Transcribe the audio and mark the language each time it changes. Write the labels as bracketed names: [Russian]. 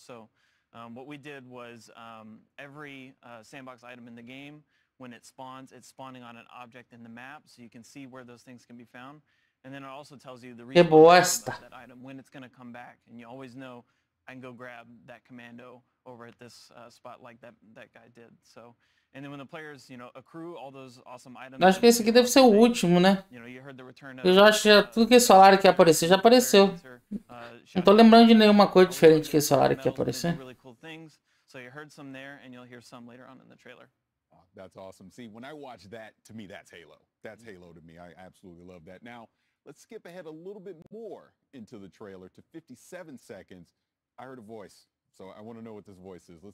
[English] So what we did was every sandbox item in the game, when it spawns, it's spawning on an object in the map, so you can see where those things can be found. And then it also tells you the reason for that item, when it's going to come back. And you always know, I can go grab that commando over at this spot like that guy did. So, and then when the players, you know, accrue all those awesome items. [Portuguese] Acho que esse aqui deve ser o último, né? [English] You know, you heard the return of [Portuguese] eu já acho que tudo que eles falaram que ia aparecer, já apareceu. Não tô lembrando de nenhuma coisa diferente que eles falaram que ia aparecer. [English] Really cool things. So you heard some there and you'll hear some later on in the trailer. Oh, that's awesome. See, when I watch that, to me, that's Halo. That's Halo to me. I absolutely love that. Now, let's skip ahead a little bit more into the trailer to 57 seconds. I heard a voice, so I want to know what this voice is.